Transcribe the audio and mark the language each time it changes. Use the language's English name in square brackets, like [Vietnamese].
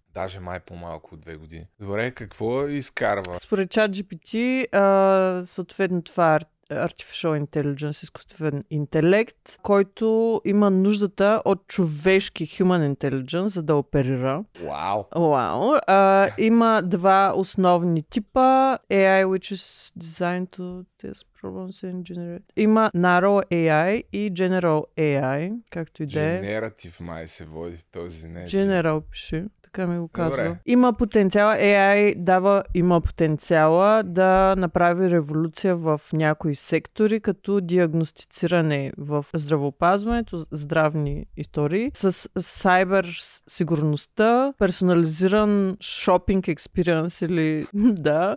[Bulgarian] Даже май по-малко от 2 години. Добре, какво изкарва? Според ChatGPT, съответно това е Artificial Intelligence, изкуствен интелект, който има нуждата от човешки Human Intelligence, за да оперира. Вау! Вау! Има два основни типа. [English] AI, which is designed to test problems and generate. [Bulgarian] Има Narrow AI и General AI, както и да е. Generative май се води този. Не General, пиши. така ми го казва. Добре. Има потенциала, AI дава, има потенциала да направи революция в някои сектори, като диагностициране в здравеопазването, здравни истории, с сайбер сигурността, персонализиран шопинг експириенс или да.